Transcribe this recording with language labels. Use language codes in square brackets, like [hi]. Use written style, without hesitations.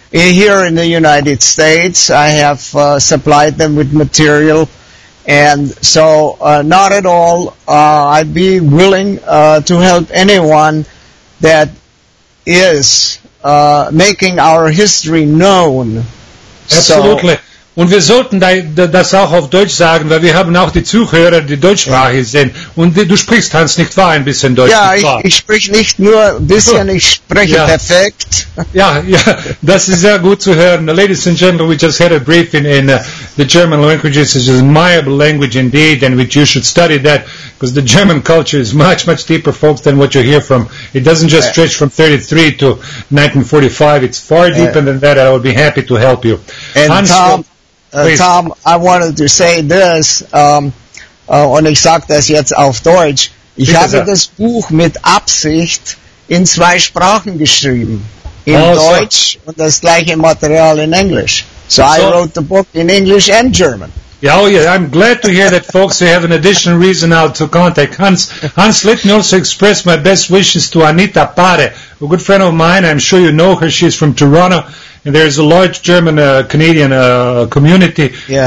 [en] Here in the United States, I have supplied them with material. And so, not at all. I'd be willing to help anyone that is making our history known. Absolutely. So, [de] Und wir sollten das auch auf Deutsch sagen, weil wir haben auch die Zuhörer, die deutschsprachig sind. Und du sprichst, Hans, nicht wahr, ein bisschen Deutsch? Ja, ich spreche nicht nur ein bisschen, ich spreche perfekt. Ja, das ist sehr gut zu hören. [en] Ladies and gentlemen, we just had a briefing in the German language. It's an admirable language indeed, and you should study that, because the German culture is much, much deeper, folks, than what you hear from. It doesn't just stretch from 33 to 1945. It's far deeper than that. I would be happy to help you. And Hans, Tom, I wanted to say this, und ich sage das jetzt auf Deutsch. [de] Ich habe das Buch mit Absicht in zwei Sprachen geschrieben. In Deutsch und das gleiche Material in Englisch. [en] So I wrote the book in English and German. Yeah, oh yeah, I'm glad to hear that, folks. We have an additional reason now to contact Hans. Hans, let me also express my best wishes to Anita Pare, a good friend of mine. I'm sure you know her. She's from Toronto. And there is a large German-Canadian community. Yeah.